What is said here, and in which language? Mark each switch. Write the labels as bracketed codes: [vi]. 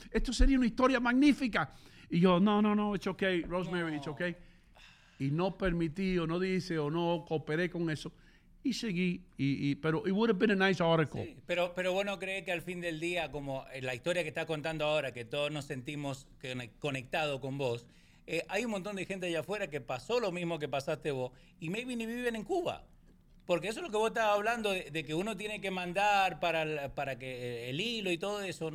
[es] Esto sería una historia magnífica. Y yo, no, [en] it's okay, Rosemary, no. It's okay. [es] Y no permití, o no dice, o no cooperé con eso. Y seguí, pero [en] it would have been a nice article. [es] Sí, pero bueno, ¿cree que al fin del día, como la historia que está contando ahora, que todos nos sentimos conectados con vos, hay un montón de gente allá afuera que pasó lo mismo que pasaste vos, y [en] maybe [es] ni viven en Cuba? Porque eso es lo que vos estabas hablando, de que uno tiene que mandar para que el hilo y todo eso.